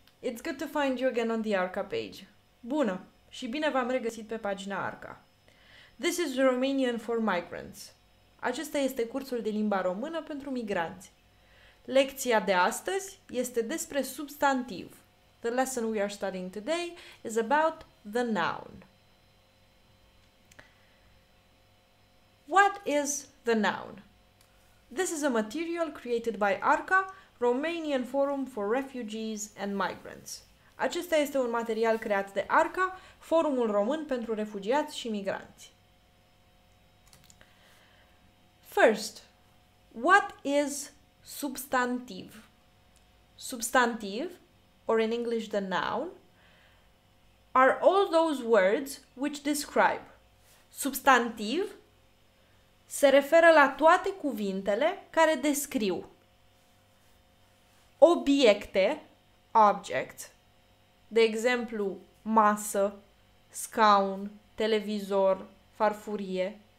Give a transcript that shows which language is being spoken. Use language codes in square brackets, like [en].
[en] It's good to find you again on the Arca page. [ro] Bună! Și bine v-am regăsit pe pagina Arca. [en] This is Romanian for migrants. [ro] Acesta este cursul de limba română pentru migranți. Lecția de astăzi este despre substantiv. [en] The lesson we are studying today is about the noun. What is the noun? This is a material created by Arca, Romanian Forum for Refugees and Migrants. [ro] Acesta este un material creat de ARCA, Forumul Român pentru Refugiați și Migranți. [en] First, what is substantiv? Substantiv, or in English the noun, are all those words which describe. [ro] Substantiv se referă la toate cuvintele care descriu. Obiecte, object, de exemplu, masă, scaun, televizor, farfurie.